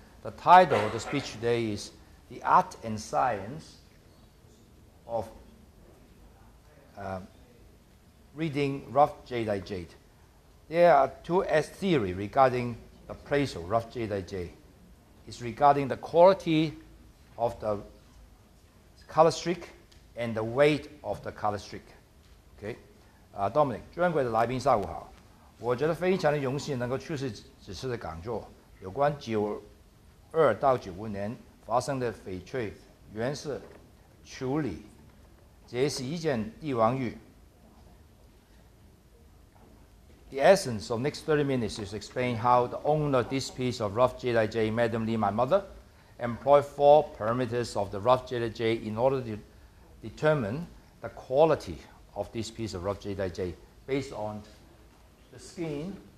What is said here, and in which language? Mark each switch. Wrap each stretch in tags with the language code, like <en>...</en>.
<en>The title of the speech today is The Art and Science of Reading Rough Jadeite Jade. There are two theories regarding the place of rough Jadeite Jade. It's regarding the quality of the color streak and the weight of the color streak. Okay.</en> <zh>Dominic, 尊贵的来宾，下午好。我觉得非常的荣幸能够出席此次的讲座，有关92到95年发生的翡翠原石处理，这是一件帝王玉。</zh> <en>The essence of next 30 minutes is to explain how the owner of this piece of rough Jadeite Jade, Madam Lee, my mother, employed four parameters of the rough Jadeite Jade in order to determine the quality of this piece of rough Jadeite Jade based on the skin.</en>